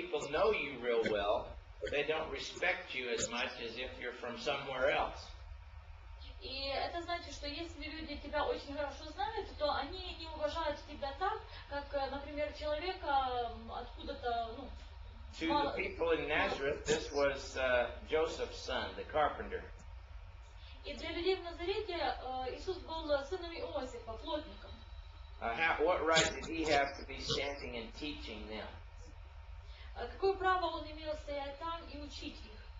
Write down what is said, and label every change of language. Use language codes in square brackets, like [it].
[en] know you real well, they don't respect you as much as if you're from somewhere else. [ru] И это значит, что если люди тебя очень хорошо знают, то они не уважают тебя так, как, например, человека откуда-то, ну, [en] to the people in Nazareth, this was Joseph's son, the carpenter. [ru] И для людей в Назарете Иисус был сыном Иосифа, плотником. [en] What right did he have to be standing and teaching them? [ru] Какое право он имел стоять там и учить их?